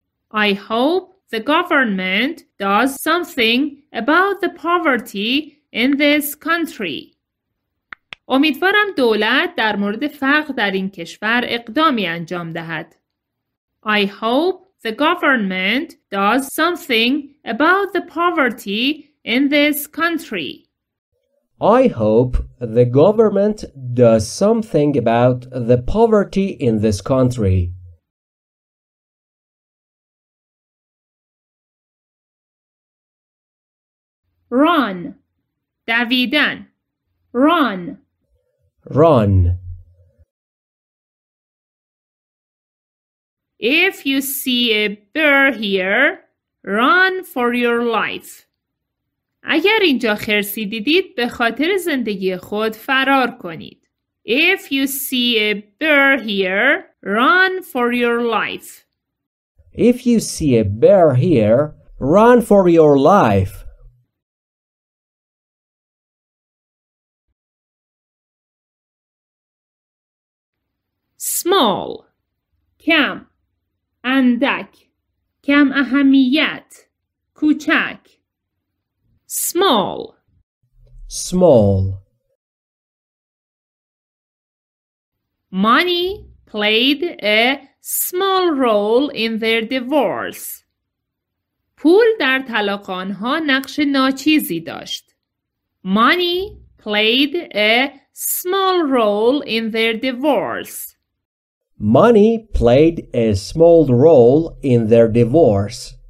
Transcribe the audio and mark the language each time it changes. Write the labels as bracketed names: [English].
[English] I hope the government does something about the poverty in this country. [Persian] امیدوارم دولت در مورد فقر در این کشور اقدامی انجام دهد. [English] I hope the government does something about the poverty in this country. I hope the government does something about the poverty in this country. Run. دویدن. Run. Run. If you see a bear here, run for your life. [Persian] اگر اینجا خرسی دیدید به خاطر زندگی خود فرار کنید. [English] If you see a bear here, run for your life. If you see a bear here, run for your life. [Persian] Small. Kam. اندک، کم اهمیت، کوچک. Small. [English] Small. Money played a small role in their divorce. [Persian] پول در طلاق آنها نقش ناچیزی داشت. [English] Money played a small role in their divorce. Money played a small role in their divorce.